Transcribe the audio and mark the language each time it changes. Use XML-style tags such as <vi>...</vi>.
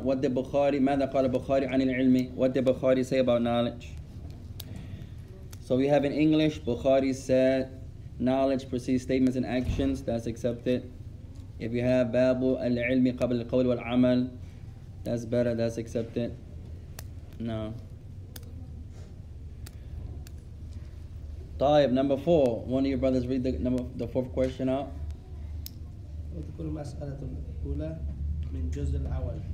<en>What did Bukhari,</en> <ar>ماذا قال البخاري عن العلم?</ar> <en>What did Bukhari say about knowledge? So we have in English, Bukhari said, knowledge precedes statements and actions, that's accepted. If you have</en> <ar>باب العلم قبل القول والعمل,</ar> <en>that's better, that's accepted. No. طيب, number four. One of your brothers read the fourth question out.</en> <ar>اذكر مسألة الأولى من جزء الأول.</ar>